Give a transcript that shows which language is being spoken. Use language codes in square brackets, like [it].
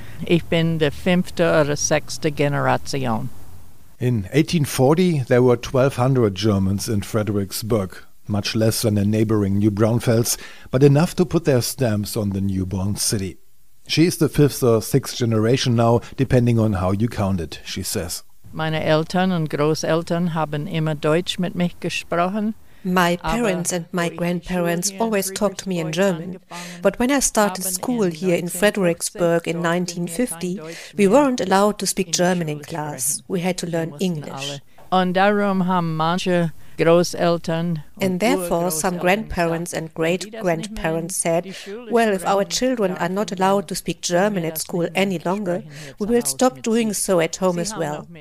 [de] Ich bin die fünfte oder sechste Generation. [en] In 1840, there were 1,200 Germans in Fredericksburg, much less than in neighboring New Braunfels, but enough to put their stamps on the newborn city. She is the fifth or sixth generation now, depending on how you count it, she says. [de] Meine Eltern und Großeltern haben immer Deutsch mit mich gesprochen. [en] My parents and my grandparents always talked to me in German, but when I started school here in Fredericksburg in 1950, we weren't allowed to speak German in class. We had to learn English. And therefore, some grandparents and great-grandparents said, well, if our children are not allowed to speak German at school any longer, we will stop doing so at home as well.